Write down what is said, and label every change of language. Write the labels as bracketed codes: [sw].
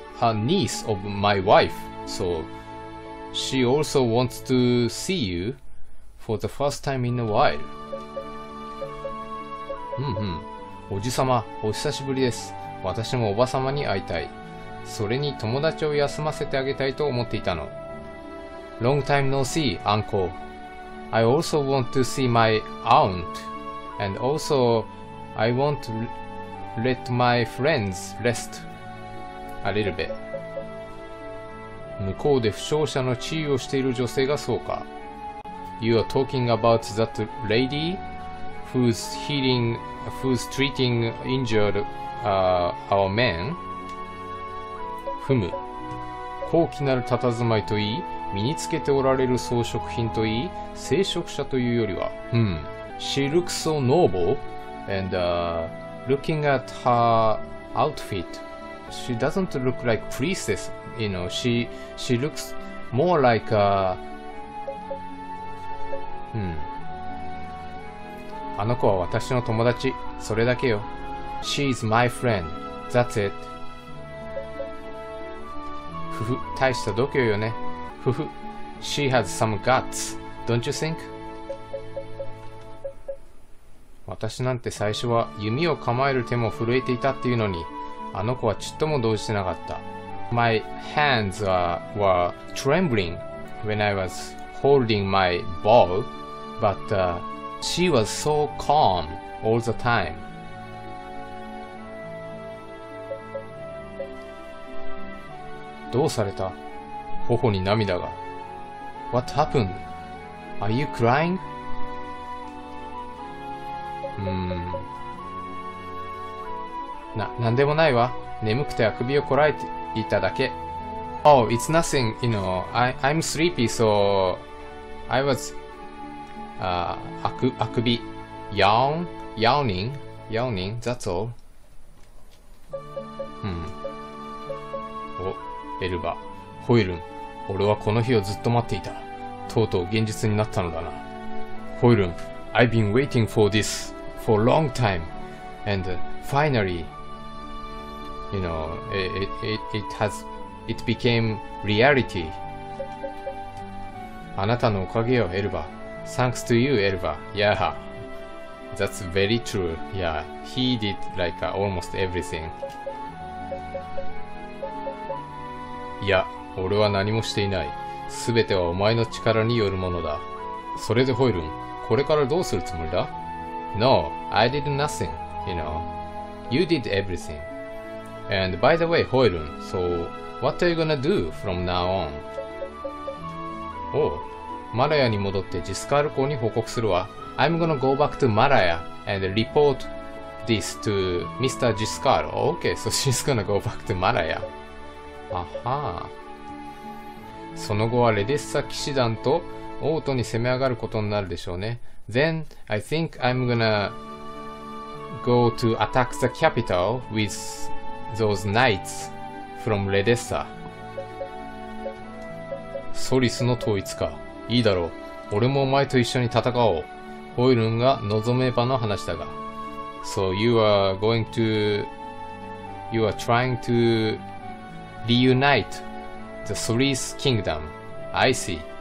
[en] A niece of my wife, so she also wants to see you for the first time in a while. [ja] おじさま、お久しぶりです。私もおばさまに会いたい。それに友達を休ませてあげたいと思っていたの。 [en] Long time no see, uncle. I also want to see my aunt, and also I want to let my friends rest. [ja] あれるべ。向こうで負傷者の治癒をしている女性がそうか。 [en] You are talking about that lady who's healing, who's treating injured, our men? [ja] ふむ。高貴なる佇まいといい、身につけておられる装飾品といい、聖職者というよりは。 [en] She looks so noble, and, looking at her outfit,She doesn't look like priestess, you know. She looks more like a... [ja] あの子は私の友達。それだけよ。 [en] She's my friend. That's it. [ja] ふふ、大した度胸よね。 [en] ふふ、She has some guts, don't you think? [ja] 私なんて最初は弓を構える手も震えていたっていうのに、あの子はちっとも動じてなかった。 [en] My hands were trembling when I was holding my bow, but she was so calm all the time. [ja] どうされた？頬に涙が。 [en] What happened? Are you crying? [ja] なんでもないわ。眠くてあくびをこらえていただけ。 [en] Oh, it's nothing, you know. I'm sleepy, so I was, [ja] あくび。 [en] yawning, that's all. [ja] お、エルバ、ホイルン、俺はこの日をずっと待っていた。とうとう現実になったのだな。 [en] ホイルン、I've been waiting for this for a long time, and finally,You know, it became reality. [ja] あなたのおかげよ、エルバ。 [en] Thanks to you, Elva. Yeah, that's very true. Yeah, he did like almost everything. [ja] いや、俺は何もしていない。すべてはお前の力によるものだ。それでホイルン、これからどうするつもりだ [en] ?No, I did nothing, you know. You did everything. And by the way, Hoyrun, so what are you gonna do from now on? Oh, [ja] マラヤに戻ってジスカール校に報告するわ。 [en] I'm gonna go back to Maraya and report this to Mr. Jiskar. Okay, so she's gonna go back to Maraya. Aha. [ja] その後はレデッサ騎士団と王都に攻め上がることになるでしょうね。 [en] Then I think I'm gonna go to attack the capital with those knights from レデッサ。 [ja] ソリスの統一か。いいだろう。俺もお前と一緒に戦おう。ホイルンが望めばの話だが。 [en] So you are going to... You are trying to... Reunite the Solis Kingdom. I see.